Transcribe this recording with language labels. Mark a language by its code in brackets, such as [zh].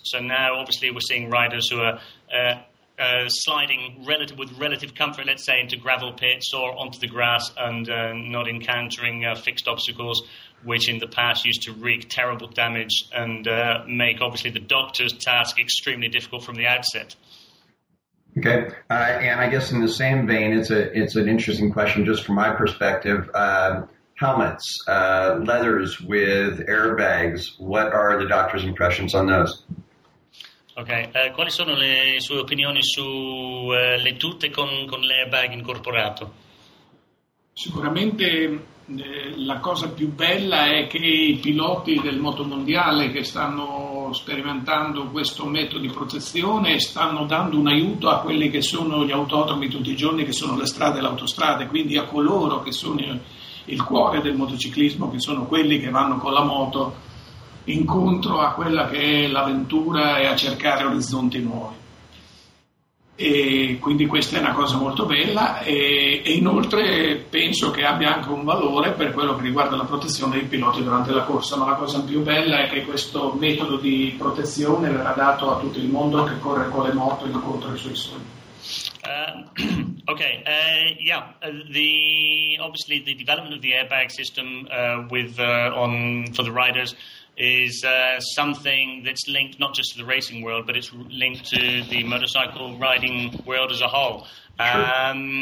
[en] So now, obviously, we're seeing riders who are sliding with relative comfort, let's say, into gravel pits or onto the grass and not encountering fixed obstacles, which in the past used to wreak terrible damage and make, obviously, the doctor's task extremely difficult from the outset. Okay, and I guess in the same vein, it's an interesting question just from my perspective. Helmets, leathers with airbags, what are the doctor's impressions on those? [it] Okay, quali sono le sue opinioni su le tute con l'airbag incorporato? Sicuramente La cosa più bella è che i piloti del motomondiale che stanno sperimentando questo metodo di protezione stanno dando un aiuto a quelli che sono gli autodromi tutti i giorni, che sono le strade e le autostrade, quindi a coloro che sono il cuore del motociclismo, che sono quelli che vanno con la moto incontro a quella che è l'avventura e a cercare orizzonti nuovi. E quindi questa è una cosa molto bella e inoltre penso che abbia anche un valore per quello che riguarda la protezione dei piloti durante la corsa, ma la cosa più bella è che questo metodo di protezione verrà dato a tutto il mondo che corre con le moto incontro ai suoi sogni. [en] The obviously the development of the airbag system for the riders is something that's linked not just to the racing world, but it's linked to the motorcycle riding world as a whole. Sure.